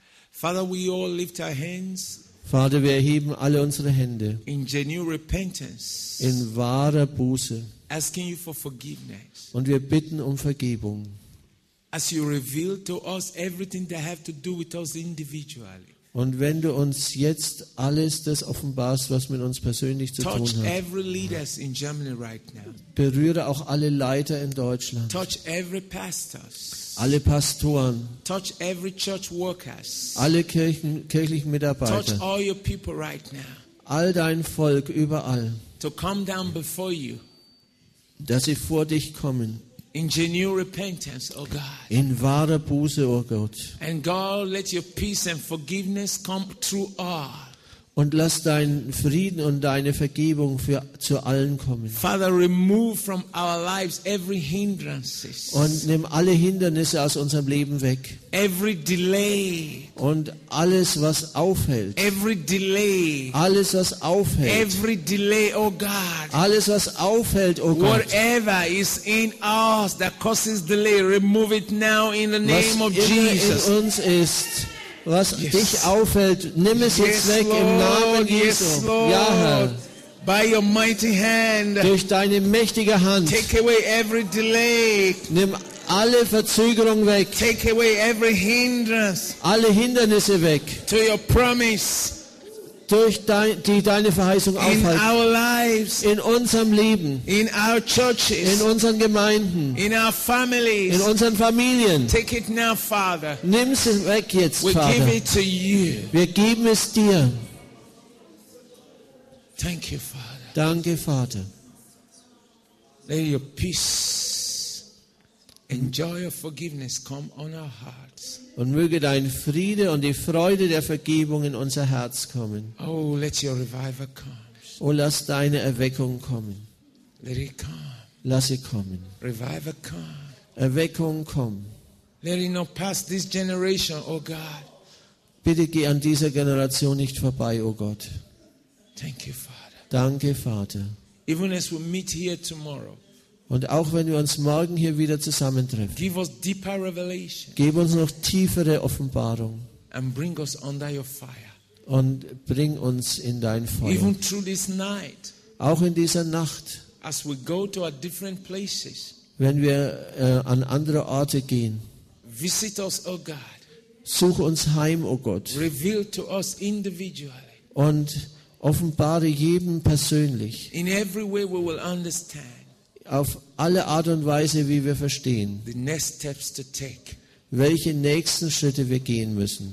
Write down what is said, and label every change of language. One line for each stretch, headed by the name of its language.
English: Father, we all lift our hands.
German: Vater, wir erheben alle unsere Hände.
English: In genuine repentance.
German: In wahrer Buße.
English: Asking you for forgiveness.
German: Und wir bitten um Vergebung.
English: As you reveal to us everything that have to do with us individually.
German: Und wenn du uns jetzt alles das offenbarst, was mit uns persönlich zu
English: touch
German: tun hat.
English: Every leaders in Germany right now.
German: Berühre auch alle Leiter in Deutschland.
English: Touch every pastors.
German: Alle Pastoren.
English: Touch every church workers.
German: Alle kirchlichen Mitarbeiter.
English: Touch all your people right now.
German: All dein Volk überall.
English: To come down before you.
German: Dass sie vor dich kommen.
English: In genuine repentance, oh God.
German: In wahrer Buße, oh Gott.
English: And God, let your peace and forgiveness come through all.
German: Und lass deinen Frieden und deine Vergebung für zu allen kommen.
English: Father, remove from our lives every hindrances.
German: Und nimm alle Hindernisse aus unserem Leben weg.
English: Every delay.
German: Und alles, was aufhält.
English: Every delay.
German: Alles, was aufhält.
English: Every delay, oh God.
German: Alles, was aufhält, oh Gott.
English: Whatever is in us that causes delay, remove it now in the name of Jesus.
German: Was in uns ist, was
English: yes.
German: dich aufhält, nimm es jetzt
English: yes,
German: weg
English: Lord,
German: im Namen Jesu.
English: Yes, Lord.
German: Ja, Herr.
English: By your mighty hand.
German: Durch deine mächtige Hand.
English: Take away every delay.
German: Nimm alle Verzögerung weg.
English: Take away every hindrance.
German: Alle Hindernisse weg.
English: To your promise.
German: Durch deine Verheißung aufhalten.
English: In our lives.
German: In unserem Leben.
English: In our churches.
German: In unseren Gemeinden.
English: In our families.
German: In unseren Familien.
English: Take it now, Father.
German: Nimm es weg jetzt,
English: we
German: Vater.
English: We give it to you.
German: Wir geben es dir.
English: Thank you, Father.
German: Danke, Vater.
English: Let your peace and joy of forgiveness come on our hearts.
German: Und möge dein Friede und die Freude der Vergebung in unser Herz kommen.
English: Oh, let your revival come.
German: Oh, lass deine Erweckung kommen.
English: Let it come.
German: Lass sie kommen.
English: Revival come.
German: Erweckung komm.
English: Let it not pass this generation, oh God.
German: Bitte geh an dieser Generation nicht vorbei, oh Gott.
English: Thank you, Father.
German: Danke, Vater.
English: Even as we meet here tomorrow.
German: Und auch wenn wir uns morgen hier wieder zusammentreffen,
English: give us deeper revelation.
German: Gib uns noch tiefere Offenbarung.
English: And bring us under your fire.
German: Und bring uns in dein Feuer.
English: Even through this night.
German: Auch in dieser Nacht.
English: As we go to our different places.
German: Wenn wir an andere Orte gehen.
English: Visit us, O God.
German: Such uns heim, O Gott.
English: Reveal to us individually.
German: Und offenbare jedem persönlich.
English: In every way we will understand.
German: Auf alle Art und Weise, wie wir verstehen.
English: The next steps to take.
German: Welche nächsten Schritte wir gehen müssen.